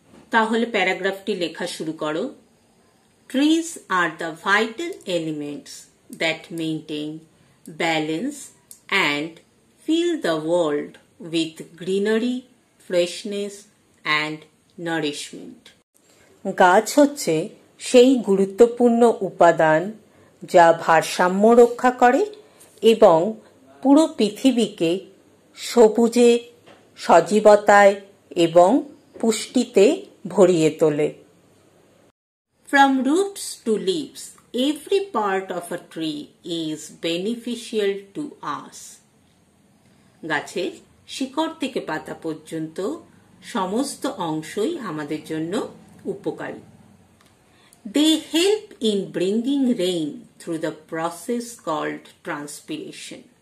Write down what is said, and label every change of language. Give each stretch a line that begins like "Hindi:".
Bangla: তাহলে প্যারাগ্রাফটি লেখা শুরু করো।
English: Trees are the vital elements that maintain balance and fill the world with greenery, freshness and nourishment.
Bangla: গাছ হচ্ছে সেই গুরুত্বপূর্ণ উপাদান যা ভারসাম্য রক্ষা করে এবং পুরো পৃথিবীকে সবুজে, সজীবতায় এবং পুষ্টিতে ভরিয়ে তোলে।
English: From roots to leaves, every part of a tree is beneficial to us.
Bangla: গাছের শিকড় থেকে পাতা পর্যন্ত সমস্ত অংশই আমাদের জন্য উপকারী।
English: They help in bringing rain through the process called transpiration.